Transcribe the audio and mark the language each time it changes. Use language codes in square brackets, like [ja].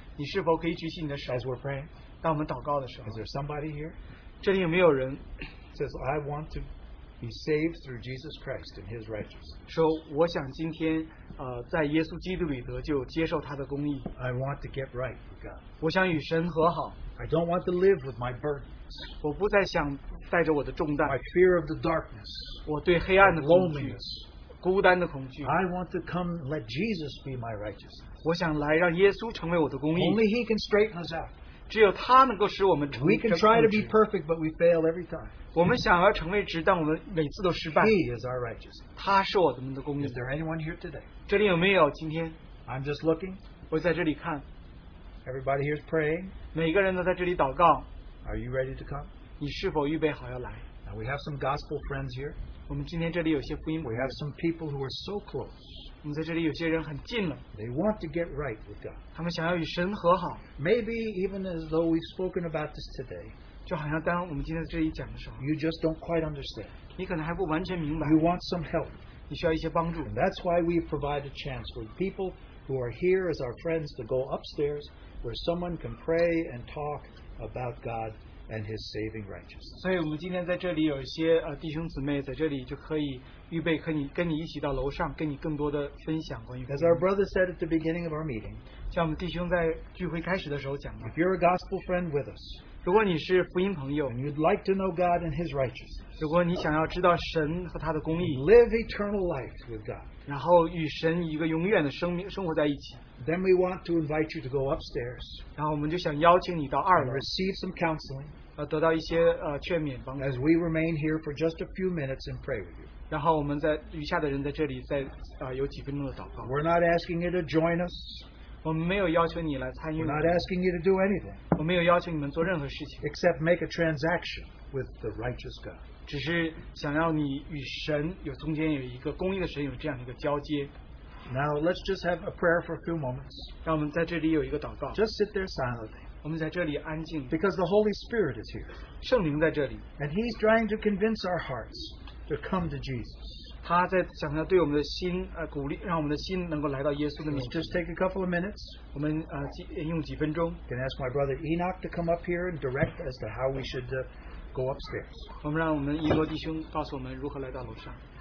[zh] 你是否可以举起你的手? [en] As we're praying, [zh] 当我们祷告的时候, [en] is there somebody here? [zh] 这里有没有人? [en] Says, I want to be saved through Jesus Christ and His righteousness. [zh] 说我想今天, 在耶稣基督里得救接受他的公义。 [en] I want to get right with God. [zh] 我想与神和好。 [en] I don't want to live with my burdens. [zh] 我不再想带着我的重担。 [en] My fear of the darkness. [zh] 我对黑暗的恐惧。 [en] Loneliness. [zh] 孤单的恐惧。 [en] I want to come and let Jesus be my righteousness. [zh] 我想来让耶稣成为我的公义。 [en] Only He can straighten us out. [zh] 只有他能够使我们成, [en] we can try to be perfect, but we fail every time. [zh] 我们想要成为直, 但我们每次都失败。 [en] He is our righteousness. [zh] 他是我们的公义。 [en] Is there anyone here today? [zh] 这里有没有今天? [en] I'm just looking. [zh] 我在这里看。 [en] Everybody here is praying. [zh] 每个人都在这里祷告。 [en] Are you ready to come? [zh] 你是否预备好要来? [en] Now we have some gospel friends here. [zh] 我们今天这里有些福音朋友。 [en] We have some people who are so close. [zh] 我们在这里有些人很近了, [en] they want to get right with God. [zh] 他们想要与神和好。 [en] Maybe even as though we've spoken about this today, [zh] 就好像当我们今天这里讲的时候, [en] you just don't quite understand. [zh] 你可能还不完全明白。 [en] You want some help. [zh] 你需要一些帮助。 [en] And that's why we provide a chance for people who are here as our friends to go upstairs where someone can pray and talk about God and His saving righteousness. [zh] 所以我们今天在这里有一些, 弟兄姊妹在这里就可以, 预备和你跟你一起到楼上跟你更多的分享关于, [en] as our brother said at the beginning of our meeting, [zh] 像我们弟兄在聚会开始的时候讲的, [en] if you're a gospel friend with us, [zh] 如果你是福音朋友, [en] and you'd like to know God and His righteousness, [zh] 如果你想要知道神和他的公义, [en] live eternal life with God, [zh] 然后与神一个永远的生命生活在一起, [en] then we want to invite you to go upstairs, [zh] 然后我们就想邀请你到二楼, [en] and receive some counseling, [zh] 得到一些, 劝勉帮助, [en] as we remain here for just a few minutes and pray with you. [zh] 然后我们在余下的人在这里再, 有几分钟的祷告。 [en] We're not asking you to join us. [zh] 我们没有要求你来参与。 [en] We're not asking you to do anything. [zh] 我没有要求你们做任何事情。 [en] Except make a transaction with the righteous God. [zh] 只是想要你与神有中间有一个公义的神有这样一个交接。 [en] Now let's just have a prayer for a few moments. [zh] 让我们在这里有一个祷告。 [en] Just sit there silently. Because the Holy Spirit is here. [zh] 圣灵在这里, [en] and He's trying to convince our hearts to come to Jesus. [zh] 他在想要对我们的心, 鼓励, [en] Let's just take a couple of minutes. [zh] 我们, 用几分钟, [en] can ask my brother Enoch to come up here and direct as to how we should go upstairs. [zh] 我们让我们一诺弟兄告诉我们如何来到楼上。